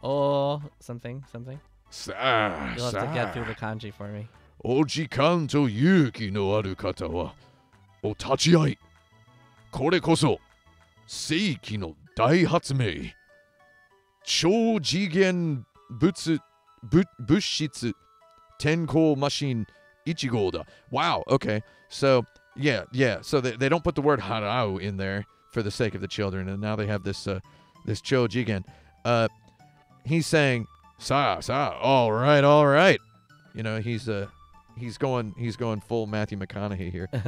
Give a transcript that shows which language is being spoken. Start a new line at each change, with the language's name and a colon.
English: You'll have to get through the kanji for me.
Japanese: お時間と勇気のある方は、お立ち会い。これこそ、世紀の大発明。超次元物質天候マシン1号だ。
English: Wow, okay. So, yeah. So they don't put the word harau in there for the sake of the children, and now they have this chō jigen. He's saying, sa, all right. You know, he's going full Matthew McConaughey here.